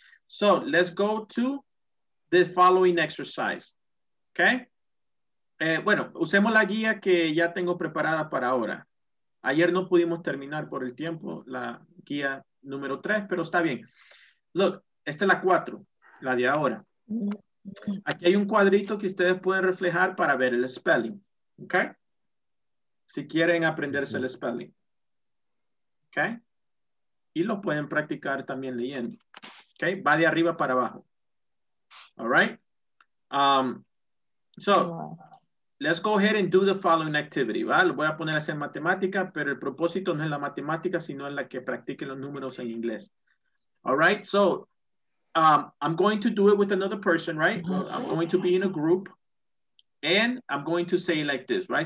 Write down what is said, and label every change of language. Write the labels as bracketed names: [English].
[English] So let's go to the following exercise, okay? [Spanish] Bueno, usemos la guía que ya tengo preparada para ahora. Ayer no pudimos terminar por el tiempo la guía número 3, pero está bien. Look, esta es la 4, la de ahora. Aquí hay un cuadrito que ustedes pueden reflejar para ver el spelling, ¿ok? Si quieren aprenderse el spelling, ¿ok? Y lo pueden practicar también leyendo, ¿ok? Va de arriba para abajo, [English] ¿all right? So, let's go ahead and do the following activity, ¿va? [Spanish] Lo voy a poner a hacer matemática, pero el propósito no es la matemática, sino en la que practiquen los números en inglés, [English] ¿all right? So, I'm going to do it with another person, right? I'm going to be in a group. And I'm going to say like this, right?